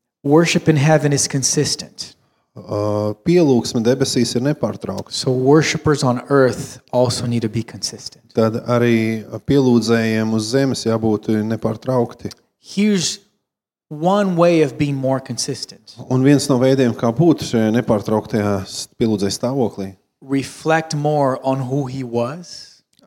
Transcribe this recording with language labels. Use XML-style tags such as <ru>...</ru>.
<en>Worship in heaven is consistent.</en> <lv>Pielūgsme debesīs ir nepārtraukta.</lv> <en>So worshipers on earth also need to be consistent.</en> <lv>Tad arī pielūdzējiem uz zemes jābūt nepārtraukti.</lv> <en>Here's one way of being more consistent.</en> <lv>Un viens no veidiem, kā būt šajā nepārtrauktajā pielūdzē stāvoklī.</lv> <en>Reflect more on who He was.</en>